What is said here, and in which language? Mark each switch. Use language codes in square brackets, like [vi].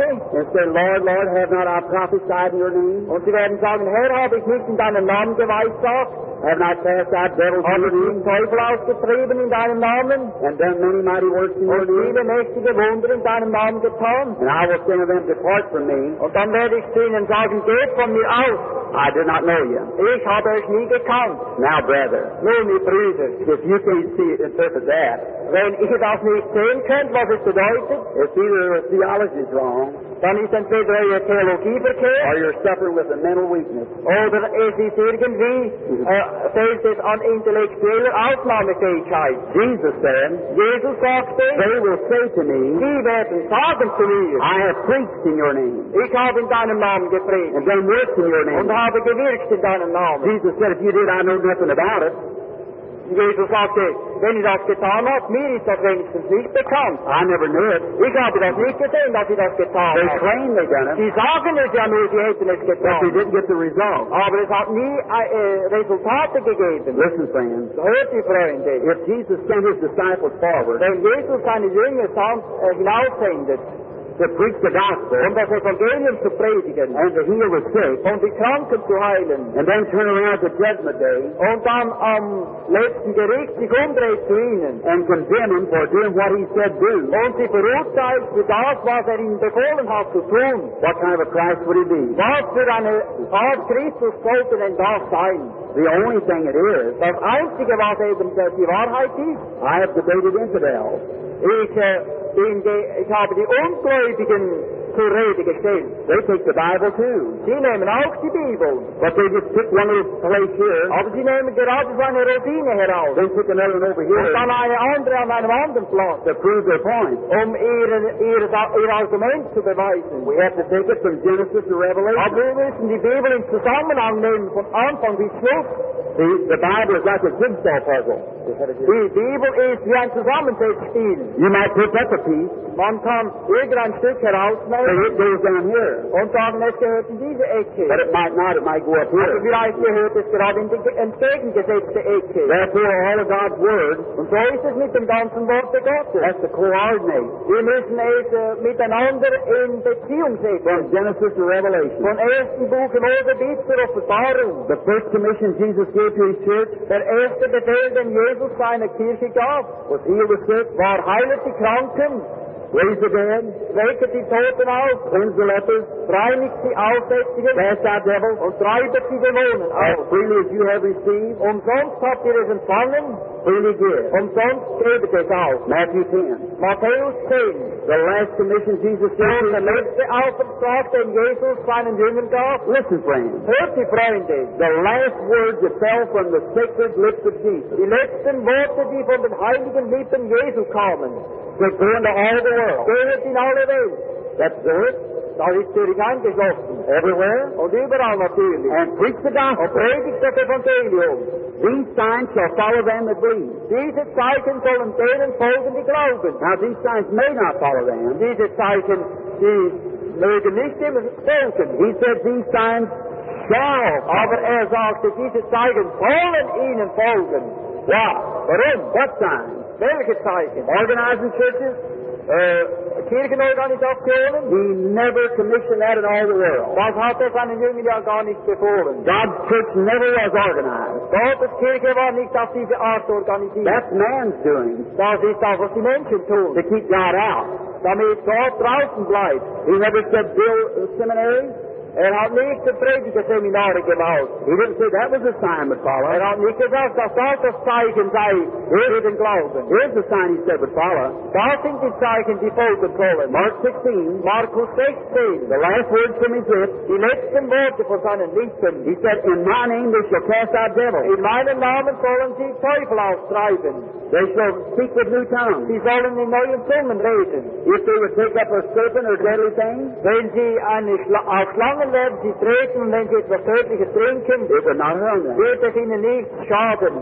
[en] And say, Lord, Lord, have not I prophesied in your name? [de] Und sie werden sagen, Herr, habe ich nicht in deinem Namen geweissagt? [en] Have not cast out devils in your name? [de] Teufel ausgetrieben in deinem Namen? [en] And done many mighty works in your name? [de] Und viele mächtige Wunder in deinem Namen getan? [en] And I will say to them, depart from me. [de] Und dann werde ich zu ihnen sagen, geht von mir aus. [en] I did not know you. [de] Ich habe euch nie gekannt. [en] Now, brother. [de] Nun, ihr Brüder. [en] If you can see it, interpret that. [de] Wenn ihr das nicht sehen könnt, was es bedeutet. [en] If either your theology is wrong. [de] Dann ist entweder eure Theologie verkehrt. [en] Or you're suffering with a mental weakness. [de] Oder es ist irgendwie, fehlt es an intellektueller Ausnahmefähigkeit. [en] Jesus said. [de] Jesus sagte. [en] They will say to me. [de] Sie werden sagen zu mir. [en] I have preached in your name. [de] Ich habe in deinem Namen gepredigt. [en] And done works in your name. [de] Und habe gewirkt in deinem Namen. [en] Jesus said, if you did, I know nothing about it. [de] Jesus sagte, wenn ich das getan habe, mir ist das wenigstens nicht bekannt. [en] I never knew it. [de] Ich habe das nicht gesehen, dass ich das getan habe. [en] They claim they done it. [de] Sie sagen es ja nur, sie hätten es getan. [en] But they didn't get the result. [de] Aber es hat nie Resultate gegeben. [en] Listen, friends. [de] Hört ihr, Freunde. [en] If Jesus sent his disciples forward. [de] Wenn Jesus seine Jünger hinaussendet. [en] To preach the gospel. [de] Und das Evangelium zu predigen. [en] And to heal the sick. [de] Und die Kranken zu heilen. [en] And then turn around to judgment day. [de] Und dann am letzten Gericht sich umdreht zu ihnen. [en] And condemn him for doing what he said do. [de] Und sie verurteilt für das, was ihm befohlen hat zu tun. [en] What kind of a Christ would he be? [de] Was für eine Art Christus sollte denn das sein? [en] The only thing it is. [de] Das Einzige, was eben die Wahrheit ist. [en] I have debated infidels. [de] Ich habe die Ungläubigen zu Rede stehen. [en] They take the Bible too. [de] Sie nehmen auch die Bibel. [en] But they just took one little place here. [de] Aber sie nehmen gerade so eine Routine heraus. [en] They took another one over here. [de] Und dann eine andere an einem anderen Platz. [en] To prove their point. [de] Um ihr Argument zu beweisen. [en] We have to take it from Genesis to Revelation. [de] Aber wir müssen die Bibel in Zusammenhang nehmen von Anfang bis Schluss. [en] The Bible is like a jigsaw puzzle. [de] Die Bibel ist wie ein Zusammenspiel. [en] You might pick up a piece. [de] Man kann irgendein Stück herausnehmen. [en] But it goes down here. [de] Und sagen, es gehört in diese Ecke. [en] But it might not. It might go up here. [de] Aber vielleicht gehört es gerade in die entgegengesetzte Ecke. [en] Therefore, all of God's Word. [de] Und so ist es mit dem ganzen Wort Gottes. [en] Has to coordinate. [de] Wir müssen es miteinander in Beziehung setzen. [en] From Genesis to Revelation. [de] Von ersten Buch Mose bis zur Offenbarung. [en] The first commission Jesus gave. [de] Der erste Befehl, den Jesus seiner Kirche gab, [en] was heal the sick, [de] war heile die Kranken, [en] raise the dead, [de] wecke die Toten auf, [en] cleanse the lepers, [de] reinige die Aussätzigen, [en] cast out devils, [de] und treibe die Dämonen aus. [en] As freely as you have received, [de] umsonst habt ihr es empfangen, [en] freely give, [de] umsonst gebt es aus. [en] Matthew 10. [de] Matthäus 10. [en] The last commission Jesus gave. [de] Und der letzte Auftrag, den Jesus seinen Jüngern gab. [en] Listen, friends. [de] Hört die Freunde. [en] The last words that fell from the sacred lips of Jesus. [de] Die letzten Worte, die von den heiligen Lippen Jesu kamen. [en] They go into all the world. [de] Gehört in alle Welt. [en] That's the word. [de] Da ist der Ring eingeschlossen. [en] Everywhere. [de] Und überall natürlich. [en] And preach the gospel. [de] Und predigt das Evangelium. [en] These signs shall follow them that believe. [de] Diese Zeichen sollen denen folgen, die glauben. [en] Now these signs may not follow them. [de] Diese Zeichen, die mögen nicht immer folgen. [en] He said these signs shall. [de] Aber er sagte, diese Zeichen sollen ihnen folgen. Ja. Warum? [en] What signs? [de] Welche Zeichen? [en] Organizing churches. [de] Kirchenorganisationen? [en] He never commissioned that in all the world. [de] Was hat er seinen Jüngern ja gar nicht befohlen? [en] God's church never was organized. [de] Gottes Kirche war nicht auf diese Art organisiert. [en] That's man's doing. [de] Das ist auch, was die Menschen tun. [en] To keep God out. [de] Damit Gott draußen bleibt. [en] He never said build a seminary. [de] Er hat nicht die Predigerseminare gebaut. [en] He didn't say that was a sign would follow. [de] Er hat nicht gesagt, dass das das Zeichen sei, für den Glauben. [en] Here's the sign he said would follow. [de] Das sind die Zeichen, die folgen sollen. [en] Mark 16. [de] Markus 16. [en] The last words from his lips. [de] Die letzten Worte von seinen Lippen. [en] He said, in my name they shall cast out devils. [de] In meinem Namen sollen sie Teufel austreiben. [en] They shall speak with new tongues. [de] Sie sollen in neuen Zungen reden. [en] If they would take up a serpent or deadly thing. [de] Wenn sie eine Schlange werden sie treten und wenn sie etwas Tödliches trinken, wird es ihnen nicht schaden.